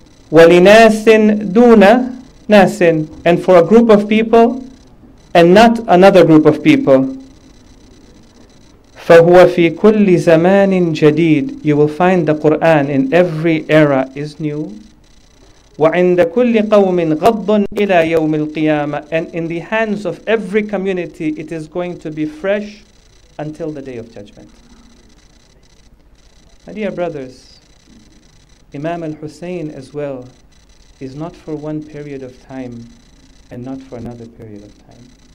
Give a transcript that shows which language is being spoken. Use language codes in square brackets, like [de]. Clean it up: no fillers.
[ar] ولناس دون ناس, [en] and for a group of people and not another group of people. [ar] فهو في كل زمان جديد. [en] You will find the Quran in every era is new. [ar] وعند كل قوم غض إلى يوم القيامة. [en] And in the hands of every community, it is going to be fresh until the day of judgment. My dear brothers, Imam al-Hussein as well is not for one period of time and not for another period of time.